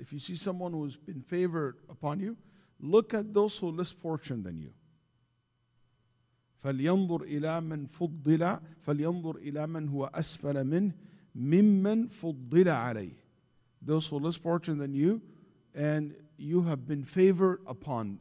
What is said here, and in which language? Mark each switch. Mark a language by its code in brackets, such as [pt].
[en] If you see someone who's been favored upon you, look at those who are less fortunate than you. [ar] فلينظر إلى من فضل فلينظر إلى من هو أسفل من ممن فضل عليه. [en] Those who are less fortunate than you, and you have been favored upon.